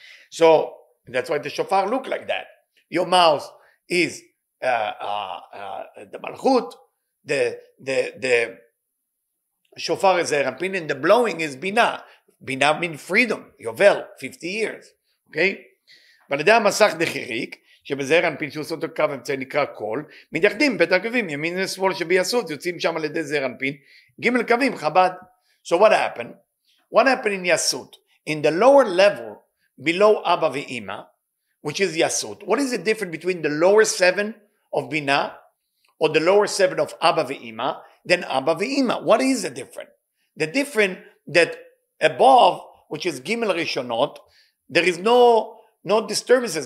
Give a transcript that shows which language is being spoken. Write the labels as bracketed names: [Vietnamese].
[English] So that's why the Shofar look like that. Your mouth is the Malchut, the Shofar is Ze'er Anpin, and the blowing is Bina. Bina means freedom, Yovel, 50 years. Okay? But the [Hebrew] Masach Dechirik, שבזהר אנפין שעושה אותו קו אמצעי נקרא קול, מתייחדים בית הקווים, ימין ושמאל שבייסוד, יוצאים שם על ידי זהר אנפין, ג' קווים, חבד. [English] So what happened? What happened in יסוד? In the lower level, below אבא ואימא, which is יסוד, what is the difference between the lower seven of בינה, or the lower seven of אבא ואימא, than אבא ואימא? What is the difference? The difference that above, which is ג' ראשונות, there is no disturbances.